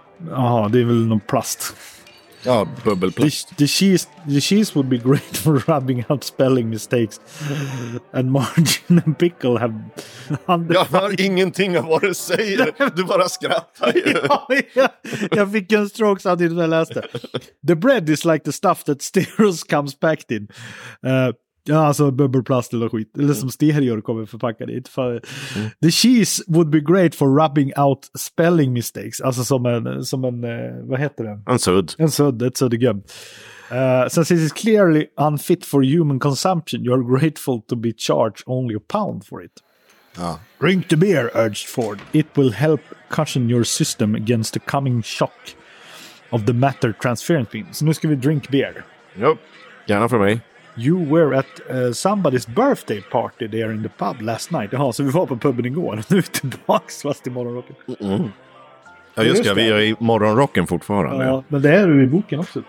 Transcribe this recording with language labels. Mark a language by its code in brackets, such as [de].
[sv] Jaha, det är väl någon plast. Ja, bubbelplast. [en] The cheese would be great for rubbing out spelling mistakes. And margin and pickle have... [sv] Jag hör ingenting av vad du säger. Du bara skrattar ju. Ja, jag fick en stroke samtidigt när jag läste. [en] "The bread is like the stuff that stereos comes packed in." [sv] Ja, alltså bubbelplast eller skit. Eller som stereor kommer förpacka dit. [en] "The cheese would be great for rubbing out spelling mistakes." [sv] Alltså som en, vad heter den? En sudd. En sudd, ett suddgum. [en] "Since it is clearly unfit for human consumption, you are grateful to be charged only a pound for it." [sv] Ja. [en] "Drink the beer," urged Ford. "It will help cushion your system against the coming shock of the matter transference beam." [sv] Så nu ska vi [en] drink beer. [sv] Yep. Gärna för mig. [en] "You were at somebody's birthday party there in the pub last night." [sv] Jaha, så vi var på puben igår. Nu är tillbaka fast i morgonrocken. Ja, just det. Vi är i morgonrocken fortfarande. Ja, men det är du i boken också.